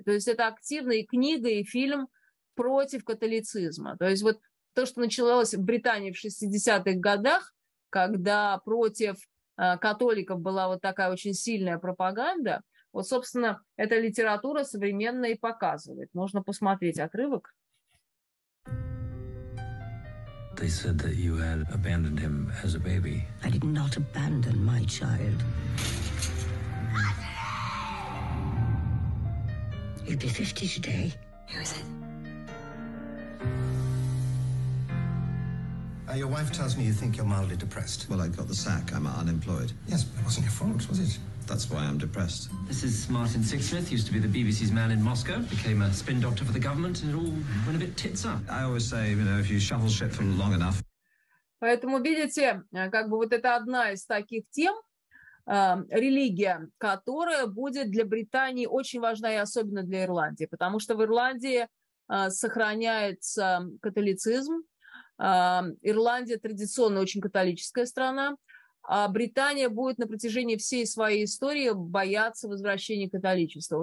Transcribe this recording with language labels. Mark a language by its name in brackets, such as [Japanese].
[Russian] То есть это активная книга и фильм против католицизма. То есть вот то, что началось в Британии в 60-х годах, когда против католиков была вот такая очень сильная пропаганда, вот, собственно, эта литература современная и показывает. Можно посмотреть отрывок. [English] They said that you had abandoned him as a baby. I did not abandon my child. You'd be 50 today. Who is it? Your wife tells me you think you're mildly depressed. Well, I got the sack. I'm unemployed. Yes, but it wasn't your fault, was it? That's why I'm depressed. This is Martin Sixsmith, used to be the BBC's man in Moscow, became a spin doctor for the government, and it all went a bit tits up. I always say, you know, if you shovel shit for long enough. [Russian] Поэтому, видите, как бы вот это одна из таких тем, религия, которая будет для Британии очень важна и особенно для Ирландии, потому что в Ирландии сохраняется католицизм, Ирландия традиционно очень католическая страна, а Британия будет на протяжении всей своей истории бояться возвращения католичества.